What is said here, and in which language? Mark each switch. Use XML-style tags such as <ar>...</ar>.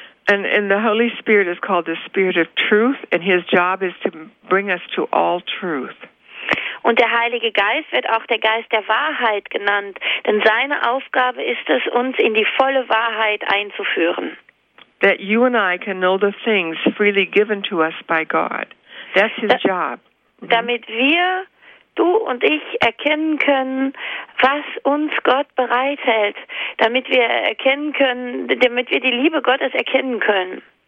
<en>And the Holy Spirit is called the Spirit of Truth, and his job is to bring us to all truth.</en> <de>Und der Heilige Geist wird auch der Geist der Wahrheit genannt, denn seine Aufgabe ist es, uns in die volle Wahrheit einzuführen.</de> <en>That you and I can know the things freely given to us by God. That's his job.</en> <de>Damit wir, du und ich, erkennen können, was uns Gott bereithält. Damit wir erkennen können, damit wir die Liebe Gottes erkennen können.</de>